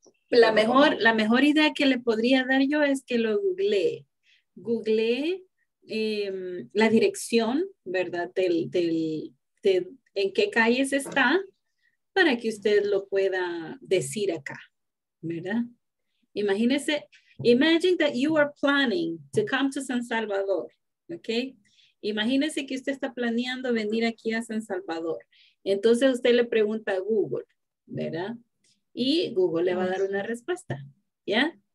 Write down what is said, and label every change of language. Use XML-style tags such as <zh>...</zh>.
<es>La mejor idea que le podría dar yo es que lo googlee. La dirección, ¿verdad? De en qué calles está para que usted lo pueda decir acá, ¿verdad? Imagínese,</es> <en>imagine that you are planning to come to San Salvador, okay?</en> <es>Imagínese que usted está planeando venir aquí a San Salvador. Entonces usted le pregunta a Google, ¿verdad? Y Google le va a dar una respuesta, ¿ya?</es>